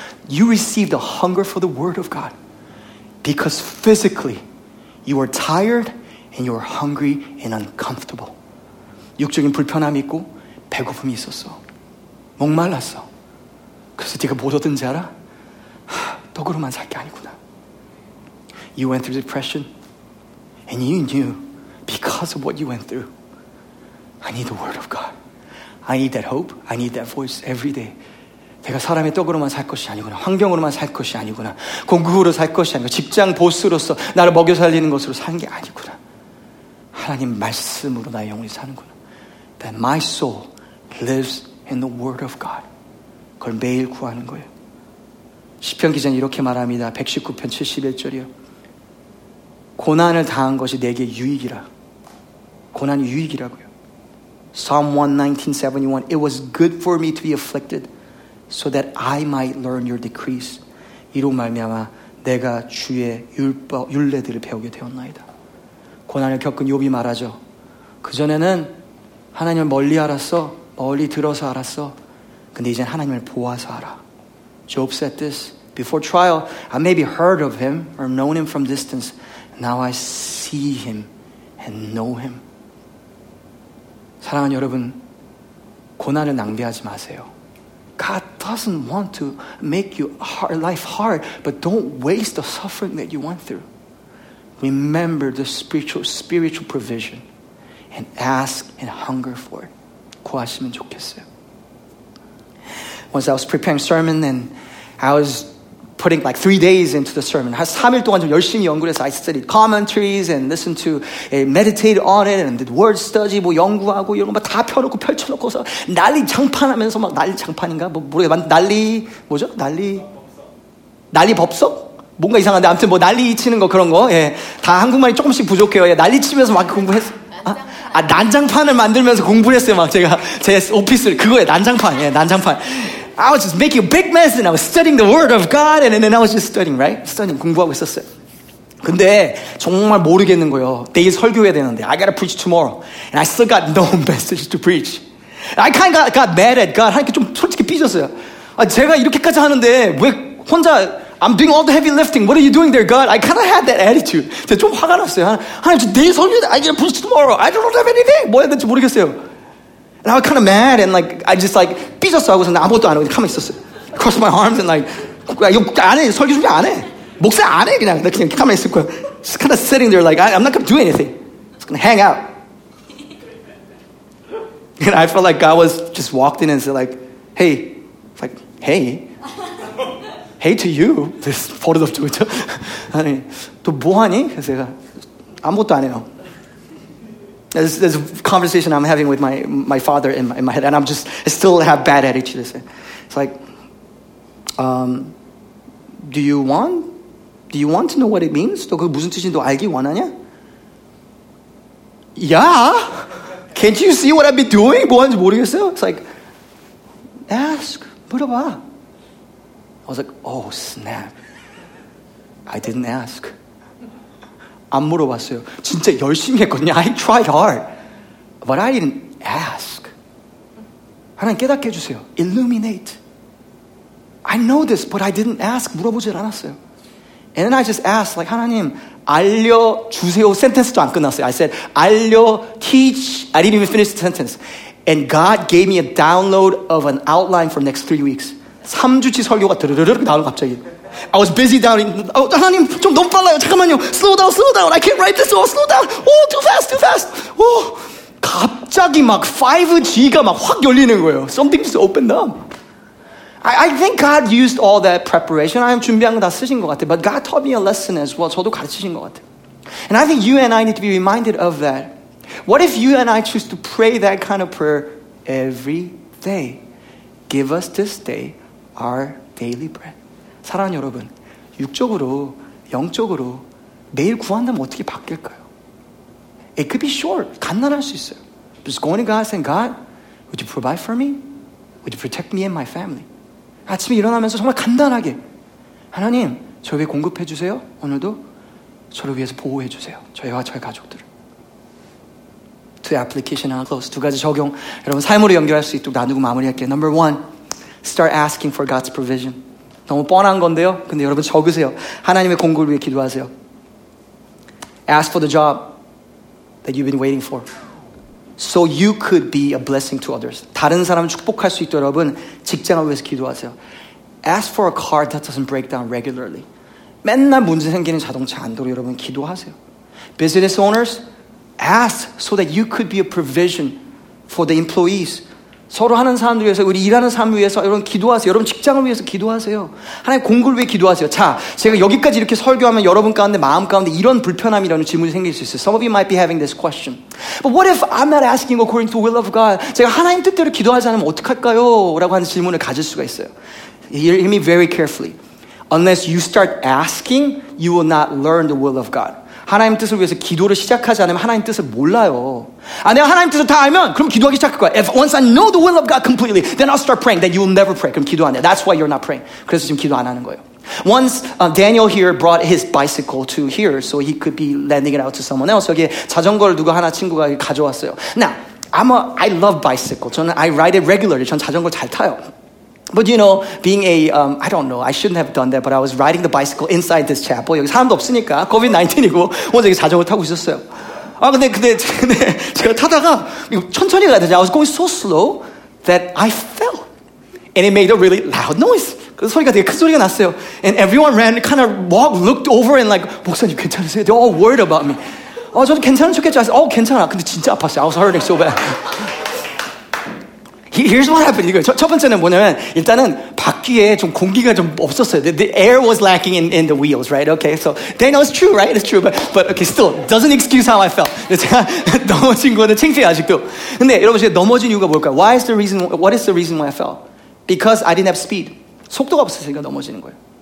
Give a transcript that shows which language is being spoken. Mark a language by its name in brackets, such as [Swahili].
[English] You receive the hunger for the word of God because physically you are tired and you are hungry and uncomfortable. [Korean] 육적인 불편함이 있고 배고픔이 있었어. 목말랐어. 그래서 네가 못 얻은지 알아? 하, 떡으로만 살 게 아니구나. [English] You went through depression and you knew because of what you went through. I need the word of God. I need that hope. I need that voice every day. [Korean] 내가 사람의 떡으로만 살 것이 아니구나. 환경으로만 살 것이 아니구나. 공급으로 살 것이 아니구나. 직장 보스로서 나를 먹여 살리는 것으로 사는 게 아니구나. 하, 하나님 말씀으로 나의 영혼이 사는구나. [English] That my soul lives in the word of God. [Korean] 그걸 매일 구하는 거예요. 시편 기자는 이렇게 말합니다. 119편 71절이요. 고난을 당한 것이 내게 유익이라. 고난이 유익이라고요. [English] Psalm 119:71. It was good for me to be afflicted so that I might learn your decrees. [Korean] 이로 말미암아 내가 주의 율법, 율례들을 배우게 되었나이다. 고난을 겪은 욥이 말하죠. 그전에는 하나님을 멀리 알았어. 멀리 들어서 알았어. 근데 이제는 하나님을 보아서 알아. [English] Job said this. Before trial, I maybe heard of him or known him from distance. Now I see him and know him. [Korean] 사랑하는 여러분, 고난을 낭비하지 마세요. [English] God doesn't want to make your life hard, but don't waste the suffering that you went through. Remember the spiritual provision and ask and hunger for it. [Korean] 구하시면 좋겠어요. [English] Once I was preparing sermon and I was putting like 3 days into the sermon. [Korean] 3일 동안 좀 열심히 연구를 해서 [English] I studied commentaries and listened to, meditated on it and did word study, [Korean] 뭐 연구하고 이런 거 막 다 펴놓고 펼쳐놓고서 난리 장판 하면서 막 난리 장판인가? 뭐 모르겠는데 난리, 뭐죠? 난리? 난리 법석? 뭔가 이상한데 아무튼 뭐 난리 치는 거 그런 거, 예. 다 한국말이 조금씩 부족해요. 예. 난리 치면서 막 공부했어. 아, 난장판을 만들면서 공부를 했어요. 막 제가 제 오피스를 그거예요. 난장판. 예, 난장판. [English] I was just making a big mess and I was studying the word of God and then I was just studying, right? [Korean] Studying, 공부하고 있었어요. 근데 정말 모르겠는 거예요. 내일 설교해야 되는데. [English] I gotta preach tomorrow. And I still got no message to preach. I kind of got mad at God. [Korean] 하니까 좀 솔직히 삐졌어요. 아, 제가 이렇게까지 하는데 왜 혼자 [English] I'm doing all the heavy lifting. What are you doing there, God? I kind of had that attitude. [Korean] 제가 좀 화가 났어요. 하나님, 저 내일 설교해야 돼. [English] I gotta preach tomorrow. I don't have anything. [Korean] 뭐 해야 될지 모르겠어요. [English] And I was kind of mad and like, I just like, [Korean] 삐졌어. [English] I was like, [Korean] 아무것도 안 하고 가만히 있었어요. [English] Crossed my arms and like, [Korean] 안 해. 설교 준비 안 해. 목사 안 해. 그냥 나 그냥 가만히 있을 거야. [English] Just kind of sitting there like, I'm not going to do anything. Just going to hang out. And I felt like God was just walked in and said like, hey. It's like, hey. Hey to you. This photo of Deut. [Korean] 아니, 또 뭐 하니? 제가 아무것도 안 해요. [English] There's a conversation I'm having with my father in my head, and I'm just I still have bad attitude. It's like, do you want to know what it means? [Korean] 너 그 무슨 뜻인지 너 알기 원하냐? [English] Yeah. Can't you see what I've been doing? [Korean] 뭐 하는지 모르겠어. [English] It's like, ask, [Korean] 물어봐. [English] I was like, oh snap. I didn't ask. [Korean] 안 물어봤어요. 진짜 열심히 했거든요. [English] I tried hard. But I didn't ask. [Korean] 하나님 깨닫게 해주세요. [English] Illuminate. I know this, but I didn't ask. [Korean] 물어보질 않았어요. [English] And then I just asked, like, [Korean] 하나님, 알려주세요. Sentence도 안 끝났어요. [English] I said, [Korean] 알려, [English] teach. I didn't even finish the sentence. And God gave me a download of an outline for the next 3 weeks. [Korean] 3주치 설교가 드르르륵 나오는 갑자기. [English] I was busy down. [Korean] Oh, 하나님, 좀 너무 빨라요. 잠깐만요. [English] Slow down, slow down. I can't write this all. Slow down. Oh, too fast, too fast. [Korean] Oh, 갑자기 막 5G가 막 확 열리는 거예요. [English] Something just opened up. I think God used all that preparation. I am [Korean] 준비한 거 다 쓰신 것 같아요. [English] But God taught me a lesson as well. [Korean] 저도 가르치신 것 같아요. [English] And I think you and I need to be reminded of that. What if you and I choose to pray that kind of prayer every day? Give us this day our daily bread. [Korean] 사랑하는 여러분, 육적으로, 영적으로 매일 구한다면 어떻게 바뀔까요? [English] It could be short, [Korean] 간단할 수 있어요. [English] Just going to God saying, God, would you provide for me? Would you protect me and my family? [Korean] 아침에 일어나면서 정말 간단하게 하나님, 저를 위해 공급해 주세요. 오늘도 저를 위해서 보호해 주세요. 저희와 저희 가족들을. [English] 2 application and close. [Korean] 두 가지 적용. 여러분, 삶으로 연결할 수 있도록 나누고 마무리할게요. [English] Number one, start asking for God's provision. [Korean] 너무 뻔한 건데요. 근데 여러분 적으세요. 하나님의 공급을 위해 기도하세요. [English] Ask for the job that you've been waiting for so you could be a blessing to others. [Korean] 다른 사람을 축복할 수 있도록 여러분 직장을 위해서 기도하세요. [English] Ask for a car that doesn't break down regularly. [Korean] 맨날 문제 생기는 자동차 안 도록 여러분 기도하세요. [English] Business owners, ask so that you could be a provision for the employees [Korean] 서로 하는 사람들 위해서 우리 일하는 사람 위해서 여러분 기도하세요. 여러분 직장을 위해서 기도하세요. 하나님 공급을 위해 기도하세요. 자, 제가 여기까지 이렇게 설교하면 여러분 가운데 마음 가운데 이런 불편함이라는 질문이 생길 수 있어요. [English] Some of you might be having this question. But what if I'm not asking according to the will of God? [Korean] 제가 하나님 뜻대로 기도하지 않으면 어떡할까요? 라고 하는 질문을 가질 수가 있어요. [English] Hear me very carefully. Unless you start asking, you will not learn the will of God. [Korean] 하나님 뜻을 위해서 기도를 시작하지 않으면 하나님 뜻을 몰라요. 아, 내가 하나님 뜻을 다 알면 그럼 기도하기 시작할 거야. [English] If once I know the will of God completely, then I'll start praying. Then you will never pray. [Korean] 그럼 기도 안 해. [English] That's why you're not praying. [Korean] 그래서 지금 기도 안 하는 거예요. [English] Once Daniel here brought his bicycle to here so he could be lending it out to someone else. [Korean] 여기 자전거를 누가 하나 친구가 가져왔어요. [English] Now, I love bicycle. 저는 I ride it regularly. [Korean] 저는 자전거 잘 타요. [English] But you know, being a, I don't know, I shouldn't have done that, but I was riding the bicycle inside this chapel. [Korean] 여기 사람도 없으니까, COVID-19이고, 혼자 여기 자전거 타고 있었어요. 아, 근데 제가 타다가, 이거 천천히 가야 되지. [English] I was going so slow that I fell. And it made a really loud noise. [Korean] 그 소리가 되게 큰 소리가 났어요. [English] And everyone ran, kind of walked, looked over and like, [Korean] 목사님 괜찮으세요? [English] They're all worried about me. [Korean] 어, 저도 괜찮은 척했죠. [English] I said, oh, [Korean] 괜찮아. 근데 진짜 아팠어요. [English] I was hurting so bad. Here's what happened. [Korean] 이거 첫 번째는 뭐냐면 일단은 바퀴에 좀 공기가 좀 없었어요. [English] The air was lacking in the wheels, right? Okay, so Daniel, it's true, right? It's true, but okay, still doesn't excuse how I felt. [Korean] 제가 넘어진 거는 창피해 아직도. 근데 여러분 제가 넘어진 이유가 뭘까요? [English] Why is the reason? What is the reason why I fell? Because I didn't have speed. [Korean] 속도가 없었으니까 넘어지는 거예요.